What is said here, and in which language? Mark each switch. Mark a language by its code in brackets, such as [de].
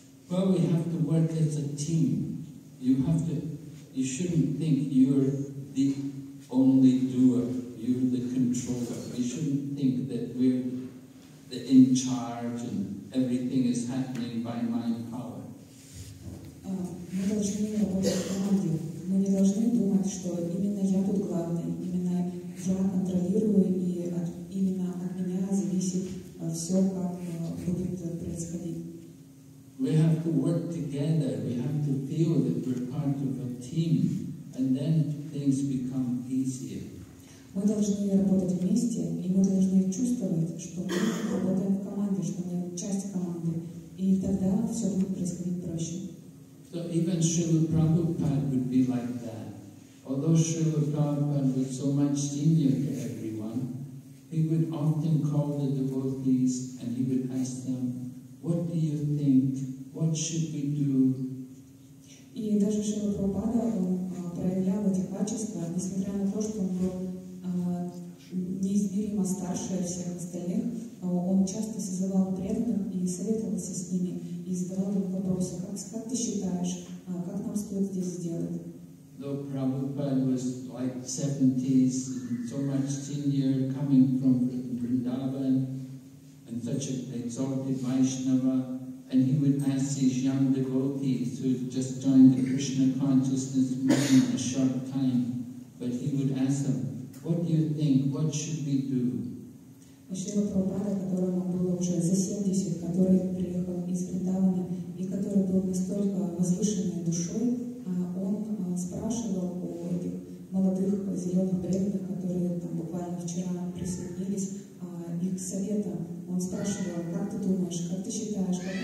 [en] Well, we have to work as a team. You have to. You shouldn't think you're the only doer. You're the controller. We shouldn't think that we're the in charge and everything is happening by my power. [ru] Мы должны работать в команде. Мы не должны думать, что именно я тут главный, именно я контролирую, и именно от меня зависит все, как будет происходить. [en] We have to work together. We have to feel that we're part of a team, and then things become easier. [ru] Мы должны работать вместе, и мы должны чувствовать, что мы работаем в команде, что мы часть команды, и тогда все будет происходить проще. [en] So even Srila Prabhupada would be like that. Although Srila Prabhupada was so much senior to everyone, he would often call the devotees and he would ask them, what do you think? What should we do? [ru] И даже Шрила Прабхупада проявлял эти качества, несмотря на то, что он был неизмеримо старше всех остальных, он часто созывал преданных и советовался с ними и задавал им вопросы, как ты считаешь, как нам стоит здесь сделать? [en] Though Prabhupada was like 70s, so much senior, coming from Vrindavan and such an exalted Vaishnava, and he would ask his young devotees who just joined the Krishna consciousness movement a short time, but he would ask them, what do you think? What should we do? [ru] Шрила Прабхупада, которому было уже за 70, который приехал из Вриндавана и который был настолько возвышенной душой, он спрашивал у этих молодых зеленых преданных, которые там буквально вчера присоединились, их совета. Он спрашивал, как ты думаешь, как ты считаешь,